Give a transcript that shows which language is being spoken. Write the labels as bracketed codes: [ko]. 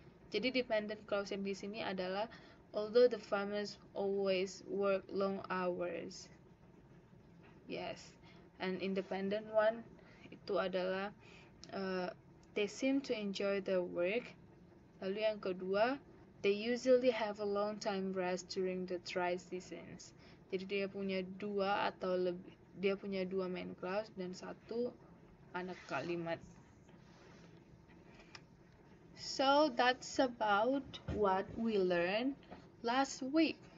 [id] Jadi dependent clause yang di sini adalah [en] although the farmers always work long hours. Yes. And independent one [id] itu adalah [en] they seem to enjoy their work. [id] Lalu yang kedua, [en] they usually have a long time rest during the dry seasons. [id] Jadi dia punya dua atau lebih, dia punya dua main clause dan satu anak kalimat. [en] So that's about what we learned last week.